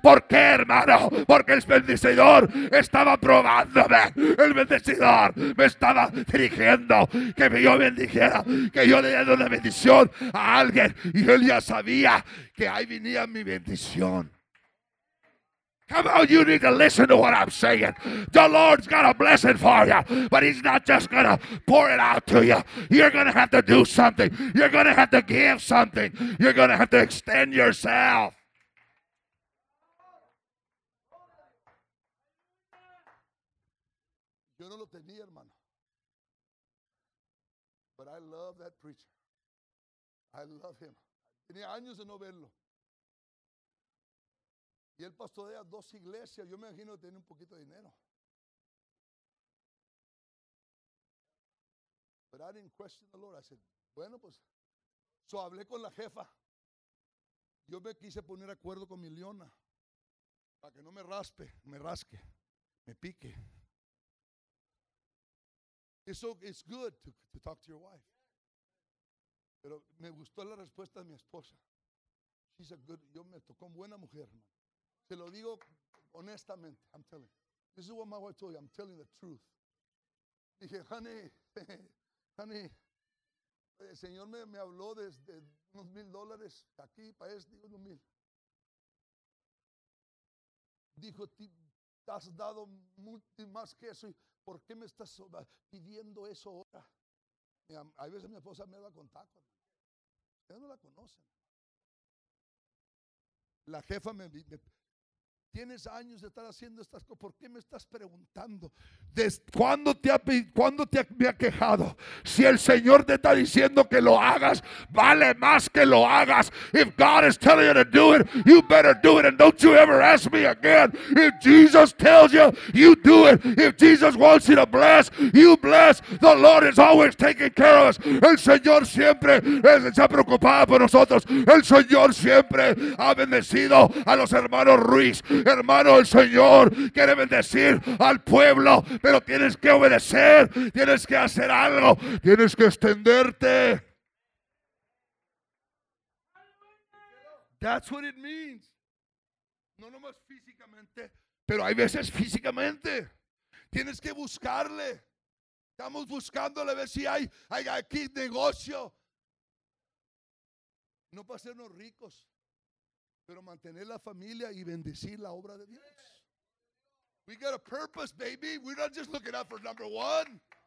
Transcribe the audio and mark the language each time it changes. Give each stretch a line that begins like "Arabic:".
Spanish: ¿Por qué, hermano? Porque el bendecidor estaba probándome. El bendecidor me estaba dirigiendo que yo bendijera, que yo le diera una bendición a alguien. Y él ya sabía que ahí venía mi bendición.
English: Come on, you need to listen to what I'm saying. The Lord's got a blessing for you, but He's not just going to pour it out to you. You're going to have to do something. You're going to have to give something. You're going to have to extend yourself.
Spanish: Yo no lo tenía, hermano.
English: But I love that preacher. I love him.
Spanish: Tenía años de no verlo. Y él pastorea dos iglesias. Yo me imagino que tiene un poquito de dinero.
English: Pero I didn't question the Lord. I said,
Spanish: bueno, pues. So hablé con la jefa. Yo me quise poner acuerdo con mi leona. Para que no me raspe, me rasque, me pique.
English: It's good to talk to your wife.
Spanish: Pero me gustó la respuesta de mi esposa.
English: She's a good,
Spanish: yo me tocó buena mujer, hermano. Se lo digo honestamente,
English: I'm telling. This is what my wife told you, I'm telling the truth.
Spanish: Dije, honey, el Señor me habló desde unos $1,000, aquí, para este, digo, unos 1,000. Dijo, te has dado más que eso, ¿por qué me estás pidiendo eso ahora? Hay veces mi esposa me habla con tacos, ellos no la conocen. La jefa me tienes años de estar haciendo estas cosas. ¿Por qué me estás preguntando? ¿Cuándo me ha quejado? Si el Señor te está diciendo que lo hagas, vale más que lo hagas.
English: If God is telling you to do it, you better do it. And don't you ever ask me again. If Jesus tells you, you do it. If Jesus wants you to bless, you bless. The Lord is always taking care of us.
Spanish: El Señor siempre se ha preocupado por nosotros. El Señor siempre ha bendecido a los hermanos Ruiz. Hermano, el Señor quiere bendecir al pueblo, pero tienes que obedecer, tienes que hacer algo, tienes que extenderte.
English: That's what it means.
Spanish: No nomás físicamente, pero hay veces físicamente. Tienes que buscarle. Estamos buscándole a ver si hay aquí negocio. No para hacernos ricos, pero mantener la familia y bendecir la obra de Dios.
English: We got a purpose, baby. We're not just looking out for number one.